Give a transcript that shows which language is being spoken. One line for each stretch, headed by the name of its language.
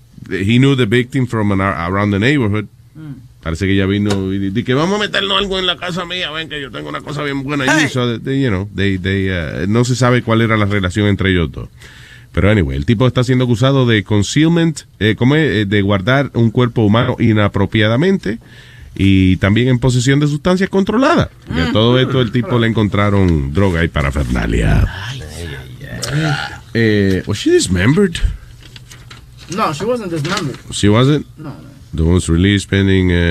English: He knew the victim from around the neighborhood.
Spanish: Parece que ella vino y dice que vamos a meternos algo en la casa mía, ven que yo tengo una cosa bien buena allí. So no se sabe cuál era la relación entre ellos dos, pero anyway, el tipo está siendo acusado de concealment, de guardar un cuerpo humano inapropiadamente y también en posesión de sustancias controladas. Y a todo esto el tipo le encontraron droga y parafernalia.
English: Was she dismembered? No, she wasn't dismembered. She wasn't? No. The one's released pending.